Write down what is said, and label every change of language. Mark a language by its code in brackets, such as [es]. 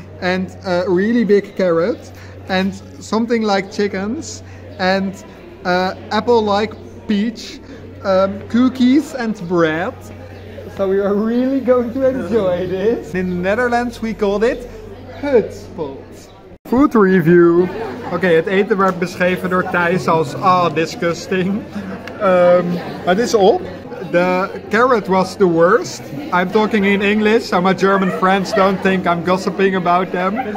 [en] And a really big carrot. And something like chickens. And... apple-like peach, cookies and bread. So we are really going to enjoy this. In the Netherlands we called it hutspot. Food review. [nl] Oké, het eten werd beschreven door Thijs als disgusting. Het is op. [en] The carrot was the worst. I'm talking in English, so my German friends don't think I'm gossiping about them.